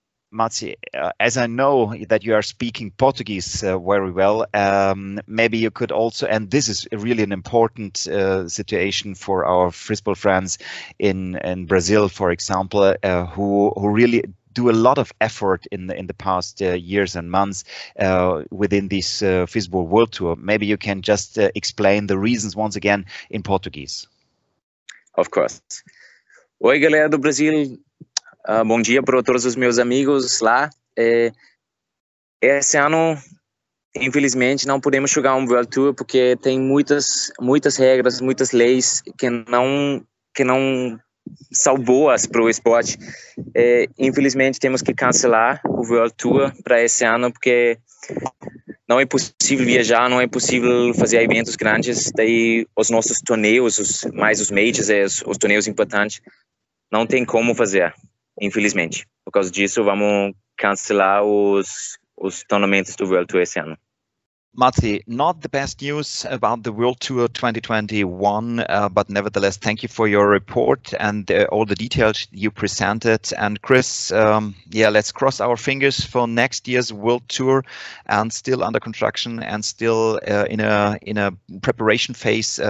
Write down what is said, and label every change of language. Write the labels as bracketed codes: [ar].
[en] Mati, as I know that you are speaking Portuguese very well, maybe you could also, and this is really an important situation for our Fistball friends in Brazil, for example, who really do a lot of effort in the past years and months within this Fistball World Tour. Maybe you can just explain the reasons once again in Portuguese. Of course. [pt] Oi, galera do Brasil. Bom dia para todos os meus amigos lá. Esse ano, infelizmente, não podemos jogar um World Tour porque tem muitas regras, muitas leis que não são boas para o esporte. Infelizmente, temos que cancelar o World Tour para esse ano porque não é possível viajar, não é possível fazer eventos grandes. Daí, os nossos torneios, os majors, os torneios importantes, não tem como fazer. Infelizmente, por causa disso, vamos cancelar os tournaments do World Tour esse ano. [en] Mati, not the best news about the World Tour 2021, but nevertheless, thank you for your report and all the details you presented. And Chris, let's cross our fingers for next year's World Tour, and still under construction and still in a preparation phase.